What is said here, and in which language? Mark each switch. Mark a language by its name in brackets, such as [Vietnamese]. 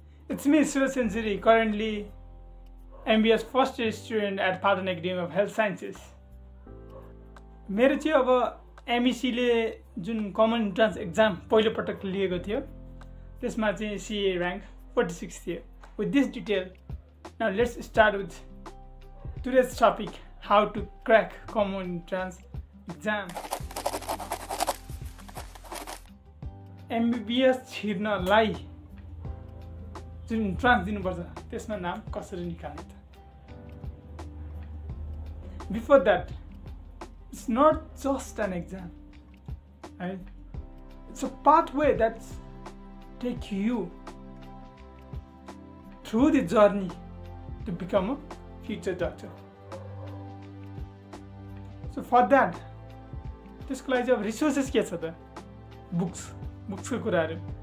[English] It's me Suraj Senchury, currently MBBS first year student at Patan Academy of Health Sciences. [Nepali] मेरो चाहिँ अब एमएससीले जुन common entrance exam पहिलोपटक लिएको थियो त्यसमा चाहिँ सिए ऱ्याङ्क 46 थियो [English] with this detail now let's start with today's topic how to crack common entrance exam [Nepali] MBBS छिर्नलाई जुन इन्ट्रान्स दिनुपर्छ त्यसमा नाम कसरी निकाल्ने त [English] Before that It's not just an exam, right? It's a pathway that takes you through the journey to become a future doctor. So for that, this college of resources gets other books, books [Nepali] ko kura re.